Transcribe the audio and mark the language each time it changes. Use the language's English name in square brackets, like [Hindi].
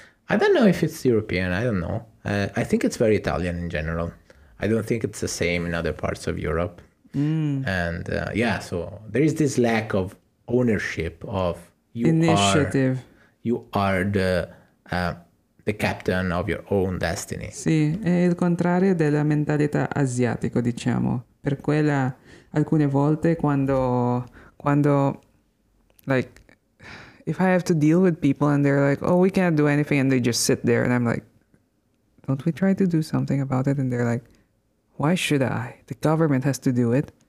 [English] I don't know if it's European, I don't know. I think it's very Italian in general. I don't think it's the same in other parts of Europe. And so there is this lack of ownership of initiative. You are the captain of your own destiny. [Italian] Sì, è il contrario della mentalità asiatico, diciamo. Per quella, alcune volte, quando, [English] like, if I have to deal with people and they're like, oh, we can't do anything, and they just sit there, and I'm like, don't we try to do something about it? And they're like, why should I? The government has to do it.